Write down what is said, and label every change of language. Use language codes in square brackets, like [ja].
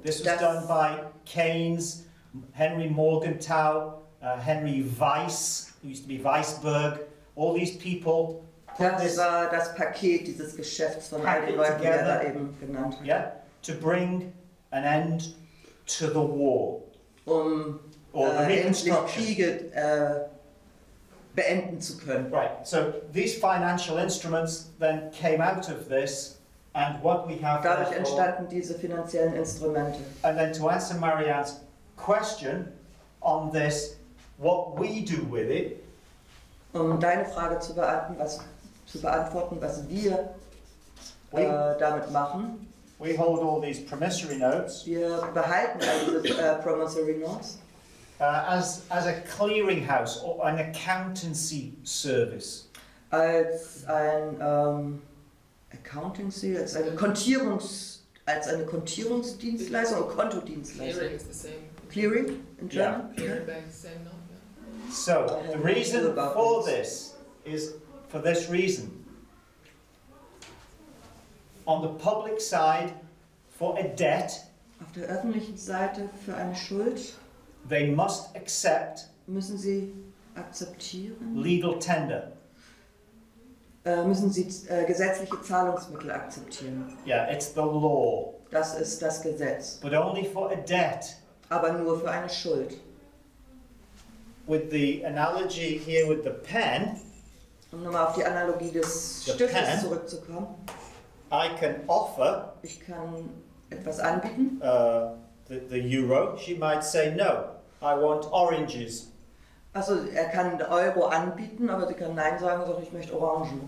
[en] This was done by Keynes, Henry Morgenthau, Henry Weiss, who used to be Weisberg, all these people. Yes. [de] Über das Paket dieses Geschäfts von all den Leuten, die er da eben genannt hat. [en] Yeah. To bring an end to the war. [de] Um endlich Kriege beenden zu können. [en] Right, so these financial instruments then came out of this, and what we have [de] dadurch [en] therefore, [de] entstanden diese finanziellen Instrumente. [en] And then to answer Marianne's question on this, what we do with it. [de] Um deine Frage zu beantworten, was wir damit machen. [en] We hold all these promissory notes. [de] Wir behalten all diese promissory notes. [en] As a clearinghouse or an accountancy service. [de] Als ein accountancy, als eine Kontierungsdienstleistung oder Kontodienstleistung. [en] Clearing is the same. Clearing in German? Yeah. Clearing bank, same note. So, the reason for this is for this reason. On the public side, for a debt, [de] auf der öffentlichen Seite für eine Schuld, [en] they must accept, [de] müssen sie akzeptieren, [en] legal tender, [de] müssen sie gesetzliche Zahlungsmittel akzeptieren. [en] Yeah, it's the law. [de] Das ist das Gesetz. [en] But only for a debt. [de] Aber nur für eine Schuld. [en] With the analogy here with the pen, [de] um nochmal auf die Analogie des Stiftes pen, zurückzukommen, [en] I can offer, [de] ich kann etwas anbieten, [en] the Euro, she might say no, I want oranges. [de] Also er kann Euro anbieten, aber sie kann nein sagen, sondern ich möchte Orangen.